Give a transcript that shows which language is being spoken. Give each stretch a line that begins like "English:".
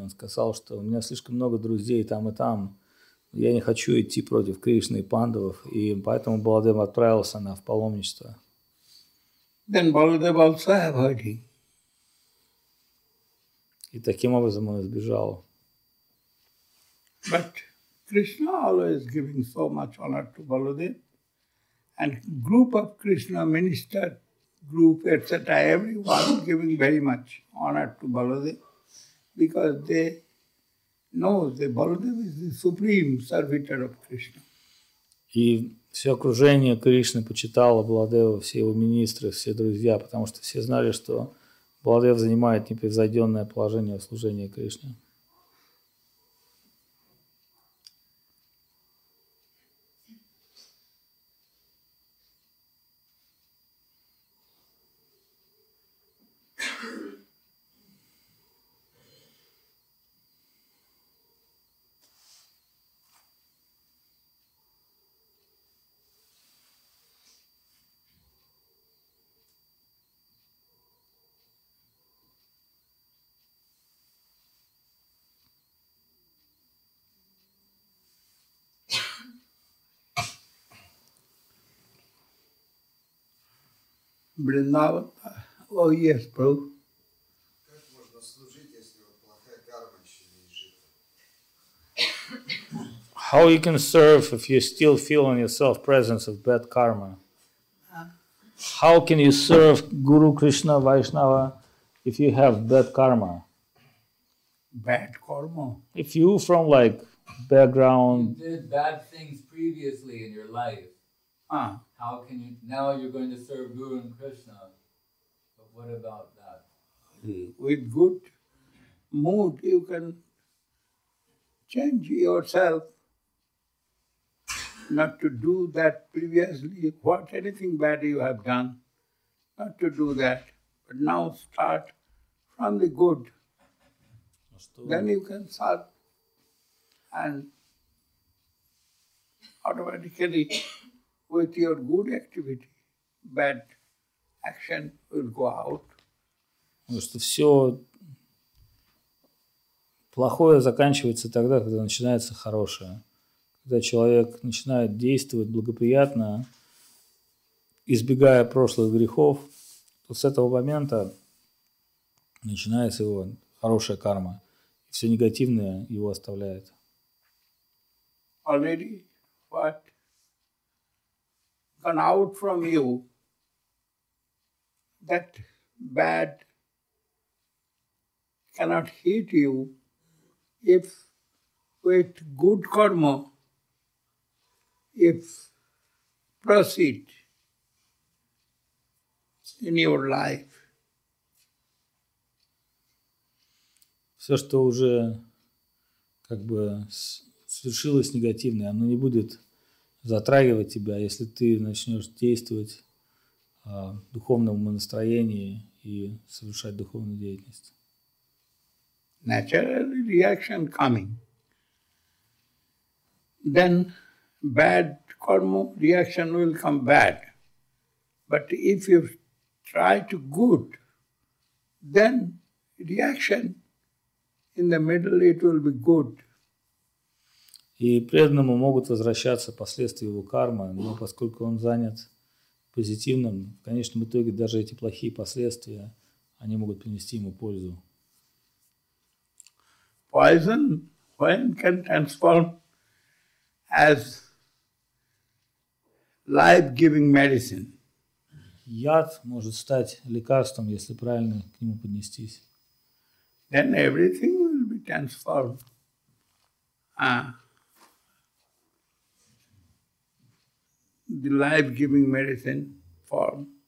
Russian: Он сказал, что у меня слишком много друзей там и там. Я не хочу идти против Кришны и Пандавов. И поэтому Баладева отправился в паломничество.
English: Then Baladev also avoiding.
Russian: И таким образом он избежал.
English: But Krishna always giving so much honor to Baladev. And group of Krishna minister group, etc., everyone giving very much honor to Baladev, because they know that Baladev is the supreme servitor of Krishna.
Russian: И все окружение Кришны почитало Баладева, все его министры, все друзья, потому что все знали, что Баладев занимает непревзойденное положение в служении Кришне.
English: Вриндаван. Oh, yes, Prabhu.
Russian: Как можно служить, если вот плохая карма еще не изжита?
English: How you can serve if you still feel in yourself presence of bad karma? How can you serve Guru Krishna Vaishnava if you have bad karma? Bad karma? If you from like background... You did bad things previously in your life. How can you, now you're going to serve Guru and Krishna, but what about that? With good mood you can change yourself not to do that previously, what anything bad you have done, not to do that, but now start from the good. Then you can start and automatically with your good activity, bad action will go out.
Russian: Потому что все плохое заканчивается тогда, когда начинается хорошее. Когда человек начинает действовать благоприятно, избегая прошлых грехов, то с этого момента начинается его хорошая карма. И все негативное его оставляет.
English: Already what? Gone out from you, that bad cannot hit you if with good karma, if proceed in your life.
Russian: Все, что уже как бы свершилось негативное, оно не будет затрагивать тебя, если ты начнешь действовать в духовном настроении и совершать духовную деятельность.
English: Natural reaction coming. Then bad karma reaction will come bad. But if you try to good, then reaction in the middle it will be good.
Russian: И преданному могут возвращаться последствия его кармы, но поскольку он занят позитивным, в конечном итоге даже эти плохие последствия, они могут принести ему пользу.
English: Poison, when can transform as life-giving medicine.
Russian: Яд может стать лекарством, если правильно к нему поднестись.
English: Then everything will be transformed. The life-giving medicine form.